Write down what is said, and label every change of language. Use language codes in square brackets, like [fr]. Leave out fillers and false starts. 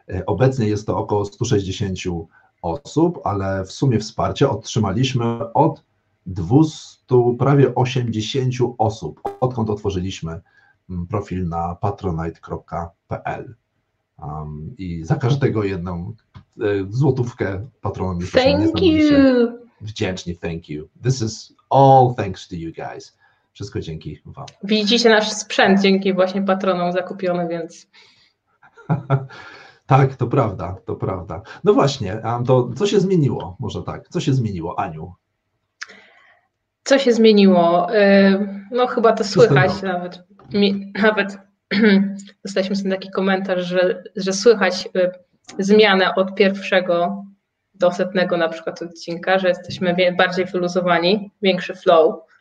[pl] Obecnie jest to około 160 osób, ale w sumie wsparcie otrzymaliśmy od 200, prawie 80 osób, odkąd otworzyliśmy profil na patronite.pl i za każdego jedną złotówkę patronom jestem niesamowicie wdzięczny. [en] Thank you. This is all thanks to you guys. [pl] Wszystko dzięki wam. Widzicie nasz sprzęt dzięki właśnie patronom zakupiony, więc... Tak, to prawda, to prawda. No właśnie, to co się zmieniło? Może tak, co się zmieniło, Aniu? Co się zmieniło? No chyba to słychać nawet. Nawet dostaliśmy sobie taki komentarz, że słychać zmianę od pierwszego do setnego na przykład odcinka, że jesteśmy bardziej wyluzowani, większy flow.